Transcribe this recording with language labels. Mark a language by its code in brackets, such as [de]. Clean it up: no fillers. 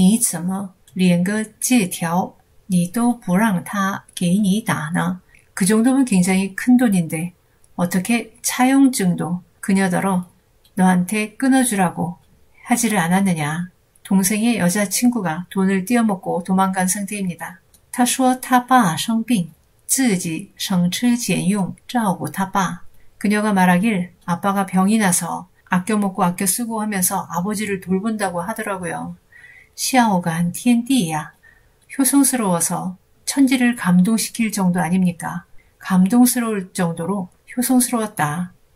[zh] 你都不让他给你打呢? [ko] 그 정도면 굉장히 큰 돈인데, 어떻게 차용증도 그녀더러 너한테 끊어주라고 하지를 않았느냐? 동생의 여자친구가 돈을 떼어먹고 도망간 상태입니다. [zh] 他说他爸生病,自己省吃俭用照顾他爸. [ko] 그녀가 말하길 아빠가 병이 나서 아껴먹고 아껴쓰고 하면서 아버지를 돌본다고 하더라고요. 샤오간天地야. 효성스러워서 천지를 감동시킬 정도 아닙니까? 감동스러울 정도로 효성스러웠다.